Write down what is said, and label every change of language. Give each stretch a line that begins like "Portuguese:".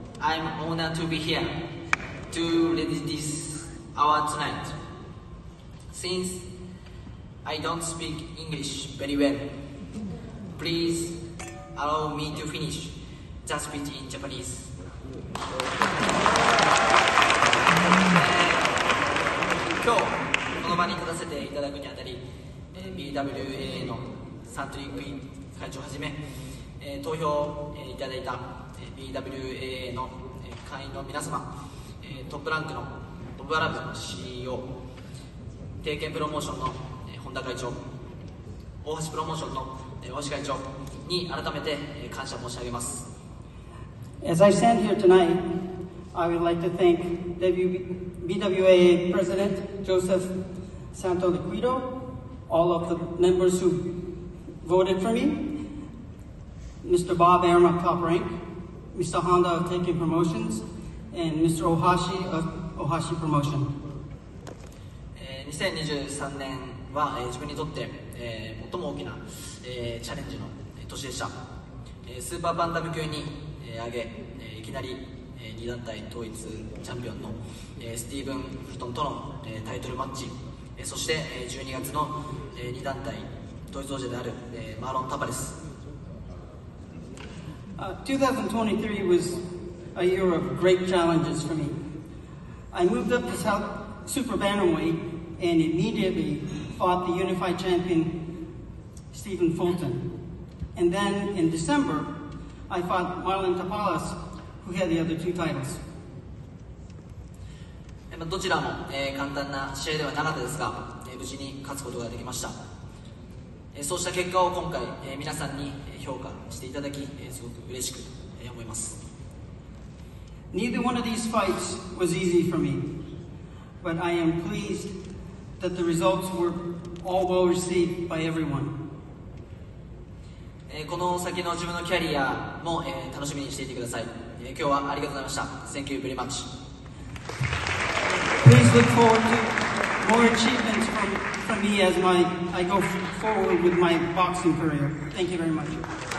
English: I'm honored to be here to lead this hour tonight. Since I don't speak English very well, please allow me to finish the speech in Japanese.
Japanese: この場に立たせていただくにあたり、BWA のサントリークイーン会長はじめ、投票いただいたBWAA の会員の皆様、トップランクのボブアラブの CEO、 提携プロモーションの本田会長、大橋プロモーションの大橋会長に改めて感謝申し上げます。
English: As I stand here tonight, I would like to thank BWAA President Joseph Santoliquido, all of the members who voted for me, Mr. Bob Arum of Top Rank,Mr. Honda of Taken Promotions, and Mr. Ohashi of Ohashi Promotion.
Japanese: 2023年は自分にとって最も大きなチャレンジの年でした。スーパーバンタム級に上げ、いきなり2団体統一チャンピオンのスティーブン・フルトンとのタイトルマッチ、そして12月の2団体統一王者であるマーロン・タパレス。
English: 2023 was a year of great challenges for me. I moved up to South, super bantamweight and immediately fought the unified champion, Stephen Fulton. And then in December, I fought Marlon Tapalas, who had the other two titles.
Japanese: どちらも、簡単な試合ではなかったですが、無事に勝つことができました、そうした結果を今回、皆さんに評価していただき、すごく嬉しく、思います
English: Neither one of these fights was easy for me But I am pleased that the results were all well received by everyone、
Japanese: この先の自分のキャリアも、楽しみにしていてください、今日はありがとうございました
English: Thank you very much Please look forward to more achievements from me as I go forward with my boxing career. Thank you very much.